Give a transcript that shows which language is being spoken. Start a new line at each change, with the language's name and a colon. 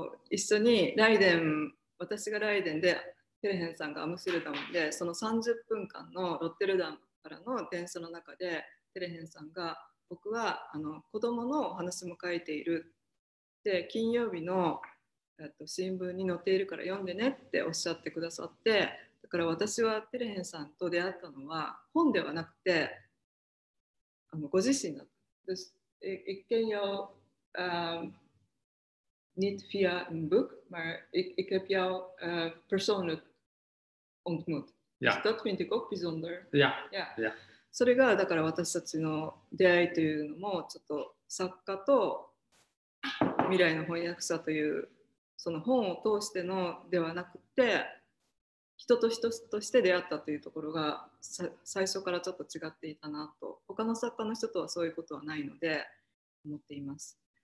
Japanese: 一緒にライデン、私がライデンで、テレヘンさんがアムステルダムで、その30分間のロッテルダムからの電車の中で、テレヘンさんが、僕は子供のお話も書いている。で、金曜日の新聞に載っているから読んでねっておっしゃってくださって、だから私はテレヘンさんと出会ったのは本ではなくて、ご自身だった。
Dutch: 一見よ、niet via een boek, maar ik heb jou persoonlijk ontmoet. Ja. Dus dat vind ik ook bijzonder. Ja. Ja. Ja.
Japanese: それがだから私たちの出会いというのもちょっと作家と未来の翻訳者というその本を通してのではなくて人と人として出会ったというところが最初からちょっと違っていたなと他の作家の人とはそういうことはないので思っています。